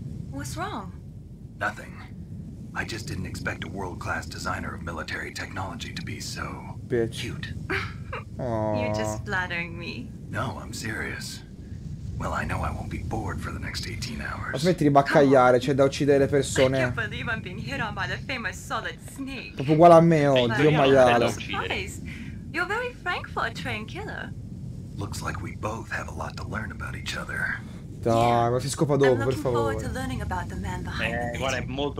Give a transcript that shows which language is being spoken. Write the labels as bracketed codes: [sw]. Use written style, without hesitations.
[en] What's wrong? Nothing. I just didn't expect a world-class designer of military technology to be so bitch cute. You're just flattering me. No, I'm serious. Well, I know I won't be bored for the next 18 hours. [it] Ma smetti di baccagliare, c'è da uccidere persone. [en] I can't believe I'm being hit on by the famous solid snake. [it] Proprio uguale a me, oddio maiale. [en] You're very frank for a trained killer. Looks like we both have a lot to learn about each other. [it] Dai, ma si scopa dopo, per favore. Guarda, è molto